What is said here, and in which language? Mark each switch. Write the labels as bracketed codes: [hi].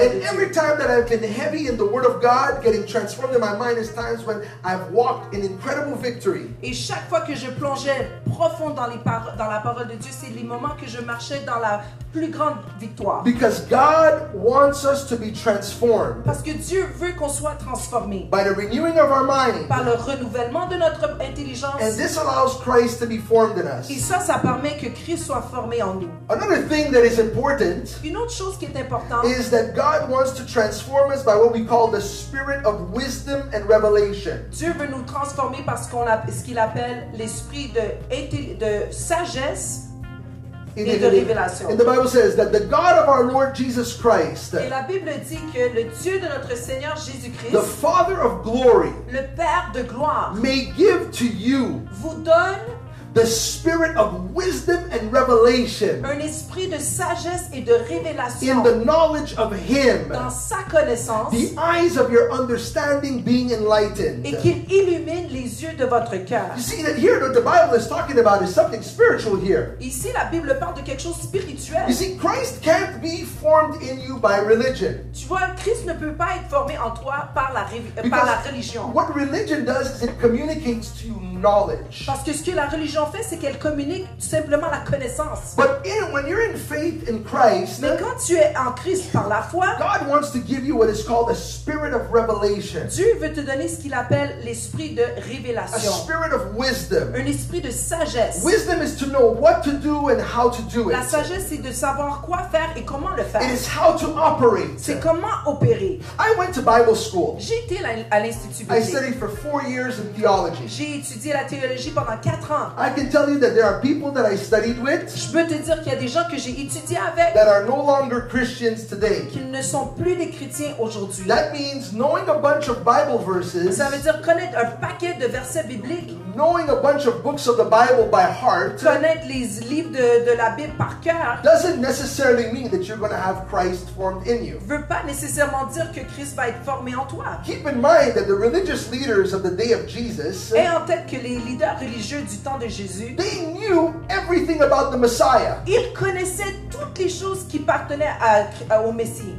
[en] And every time that I've been heavy in the Word of God, getting transformed in my mind, is times when I've walked in incredible victory. [fr] Et chaque fois que je plongeais profond dans la parole de Dieu, c'est les moments que je marchais dans la plus grande victoire. [en] Because God wants us to be transformed. [fr] Parce que Dieu veut qu'on soit transformé. [en] By the renewing of our mind. [fr] Par le renouvellement de notre intelligence. [en] And this allows Christ to be formed in us. [fr] Et ça permet que Christ soit formé en nous. [en] Another thing that is important, [fr] une autre chose qui est importante, [en] is that God wants to transform us by what we call the spirit of wisdom and revelation. [fr] Dieu veut nous transformer par ce qu'il appelle l'esprit de sagesse. [en] And the Bible says that the God of our Lord Jesus Christ, [fr] et la Bible dit que le Dieu de notre Seigneur Jésus Christ, [en] the Father of glory, [fr] le Père de gloire, [en] may give to you, [fr] vous donne, [en] the spirit of wisdom and revelation, [fr] un esprit de sagesse et de révélation, [en] in the knowledge of him, [fr] dans sa connaissance, [en] the eyes of your understanding being enlightened, [fr] et qu'il illumine les yeux de votre cœur. [en] You see that here what the Bible is talking about is something spiritual here. [fr] Ici la Bible parle de quelque chose spirituel. [en] You see, Christ can't be formed in you by religion. [fr] Tu vois, Christ ne peut pas être formé en toi par la par la religion. [en] What religion does is it communicates to you knowledge. [fr] Parce que ce que la religion fait, c'est qu'elle communique tout simplement la connaissance. [en] But when you're in faith in Christ, [fr] mais quand tu es en Christ par la foi, [en] God wants to give you what is called a spirit of revelation. [fr] Dieu veut te donner ce qu'il appelle l'esprit de révélation. [en] A spirit of wisdom. [fr] Un esprit de sagesse. [en] Wisdom is to know what to do and how to do it. [fr] La sagesse, c'est de savoir quoi faire et comment le faire. [en] It is how to operate. [fr] C'est comment opérer. [en] I went to Bible school. [fr] J'étais à l'institut [en] biblique. I studied for 4 years in theology. [fr] J'ai étudié la théologie pendant 4 ans. [en] I can tell you that there are people that I studied with. [fr] Je peux te dire qu'il y a des gens que j'ai étudié avec. [en] That are no longer Christians today. [fr] Qu'ils ne sont plus des chrétiens aujourd'hui. [en] That means knowing a bunch of Bible verses. [fr] Ça veut dire connaître un paquet de versets bibliques. [en] Knowing a bunch of books of the Bible by heart. [fr] Connaître les livres de la Bible par cœur. [en] Doesn't necessarily mean that you're going to have Christ formed in you. [fr] Veut pas nécessairement dire que Christ va être formé en toi. [en] Keep in mind that the religious leaders of the day of Jesus. [fr] Aie en tête que les leaders religieux du temps de Jésus, [en] they knew everything about the Messiah. [fr] Ils connaissaient toutes les choses qui appartenaient au Messie.